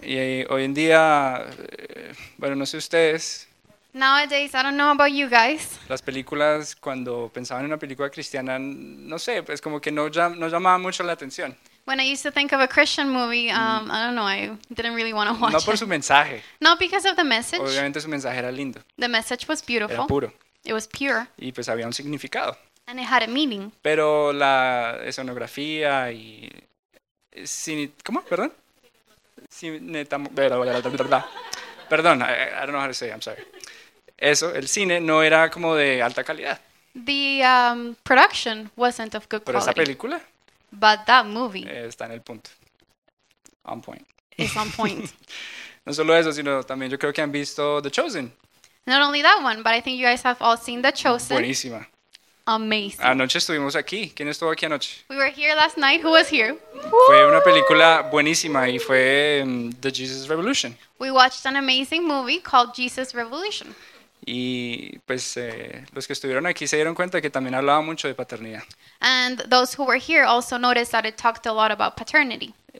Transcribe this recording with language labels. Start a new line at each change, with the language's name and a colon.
Spanish: Y hoy en día, bueno, no sé ustedes.
English: Nowadays, I don't know about you guys.
Spanish: Las películas, cuando pensaban en una película cristiana, no sé, pues como que no llamaba mucho la atención.
English: When I used to think of a Christian movie, I don't know, I didn't really want to watch it.
Spanish: No por su mensaje.
English: Not because of the message.
Spanish: Obviamente su mensaje era lindo.
English: The message was beautiful.
Spanish: Era puro.
English: It was pure.
Spanish: Y pues había un significado.
English: And it had a meaning.
Spanish: Pero la escenografía y ¿cómo? ¿Perdón?
English: Perdón, I don't know how to say it, I'm sorry.
Spanish: Eso, el cine no era como de alta calidad.
English: The production wasn't of good quality.
Spanish: Pero esa película.
English: But that movie.
Spanish: Está en el punto.
English: On point. It's on point.
Spanish: No solo eso, sino también yo creo que han visto The Chosen.
English: Not only that one, but I think you guys have all seen The Chosen.
Spanish: Buenísima.
English: Amazing.
Spanish: Anoche estuvimos aquí. ¿Quién estuvo aquí anoche?
English: We were here last night. Who was here?
Spanish: Fue una película buenísima y fue The Jesus Revolution.
English: We watched an amazing movie called Jesus Revolution.
Spanish: Y pues los que estuvieron aquí se dieron cuenta que también hablaba mucho de paternidad.
English: And those who were here also noticed that it talked a lot about paternity.